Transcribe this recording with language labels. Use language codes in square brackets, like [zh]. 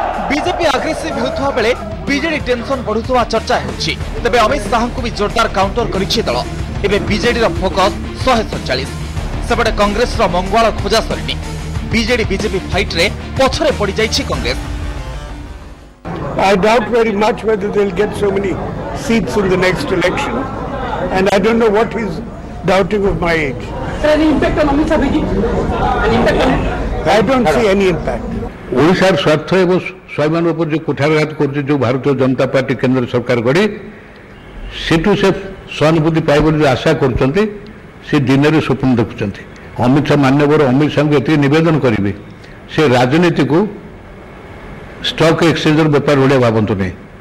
[or] BJP aggressive ହେଉଥିବା ବେଳେ BJD tension ବଢୁଥିବା ଚର୍ଚ୍ଚା ହେଉଛି। ତେବେ ଅମିତ ଶାହଙ୍କୁ ବି ଜୋରଦାର କାଉଣ୍ଟର କରିଛି ଦଳ। ଏବେ ବିଜେଡିର ଫୋକସ 147। ସେପଟେ କଂଗ୍ରେସର ମଙ୍ଗୁଆଳ ଖୋଜା ସରିନି, ବିଜେଡି ବିଜେପି ଫାଇଟ୍ରେ ପଛରେ ପଡ଼ିଯାଇଛି Congress. [en] I doubt very much whether they'll get so many seats in the next election. and I don't know what he's doubting of my age. I don't see any impact. [or] ଓଡ଼ିଶାର ସ୍ୱାର୍ଥ ଏବଂ ସ୍ୱାଭିମାନ ଉପରେ ଯେଉଁ କୁଠାରଘାତ କରୁଛି ଯେଉଁ ଭାରତୀୟ ଜନତା ପାର୍ଟି କେନ୍ଦ୍ର ସରକାର ଗଢ଼େ ସେଠୁ ସେ ସହାନୁଭୂତି ପାଏ ବୋଲି ଯେଉଁ ଆଶା କରୁଛନ୍ତି ସେ ଦିନରେ ସ୍ୱପ୍ନ ଦେଖୁଛନ୍ତି। ଅମିତ ଶାହ ମାନ୍ୟବର ଅମିତ ଶାହଙ୍କୁ ଏତିକି ନିବେଦନ କରିବେ ସେ ରାଜନୀତିକୁ ଷ୍ଟକ୍ ଏକ୍ସଚେଞ୍ଜର ବେପାର ଭଳିଆ ଭାବନ୍ତୁ ନାହିଁ।